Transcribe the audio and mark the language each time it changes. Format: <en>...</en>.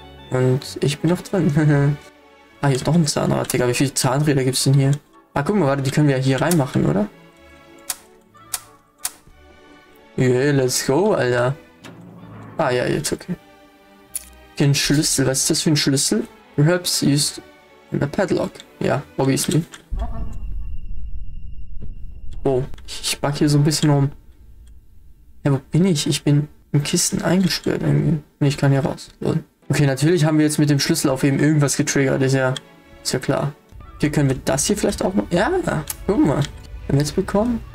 <de>Und ich bin noch drin. Ah, hier ist noch ein Zahnrad, Digga. Wie viele Zahnräder gibt es denn hier? Ah, guck mal, warte, die können wir ja hier reinmachen, oder?</de> <en>Yeah, let's go,</en> <de>Alter. Ah, ja, jetzt okay. Den Schlüssel, was ist das für ein Schlüssel?</de> <en>Perhaps used in a padlock.</en> <de>Ja,</de> <en>obviously.</en> <de>Oh, ich back hier so ein bisschen rum. Ja, wo bin ich? Ich bin in Kisten eingesperrt irgendwie. Und ich kann hier raus. Okay, natürlich haben wir jetzt mit dem Schlüssel auf eben irgendwas getriggert. Ist ja klar. Okay, können wir das hier vielleicht auch noch? Ja, guck mal. Haben wir jetzt bekommen?</de>